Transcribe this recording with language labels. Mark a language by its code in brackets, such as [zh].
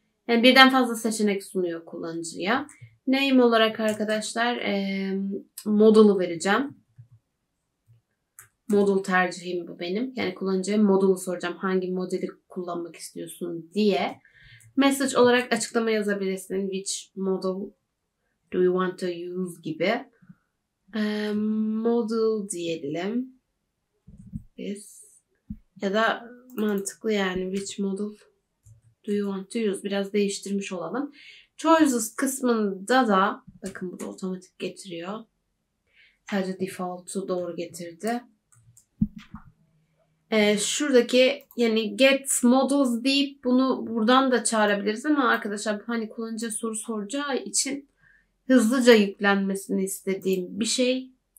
[tr] Yani birden fazla seçenek sunuyor kullanıcıya. Name olarak arkadaşlar modulu vereceğim. Modul tercihim bu benim. Yani kullanıcıya modulu soracağım. Hangi modeli kullanmak istiyorsun diye. Message olarak açıklama yazabilirsin. [en] Which model do you want to use gibi. [tr] Model diyelim. Biz. Ya da mantıklı yani. [en] Which model do you want to use. [tr] Biraz değiştirmiş olalım. Choices kısmında da bakın burada otomatik getiriyor. Sadece default'u doğru getirdi. Şuradaki yani get models deyip bunu buradan da çağırabiliriz ama arkadaşlar hani kullanıcı soru soracağı için hızlıca yüklenmesini istediğim bir şey.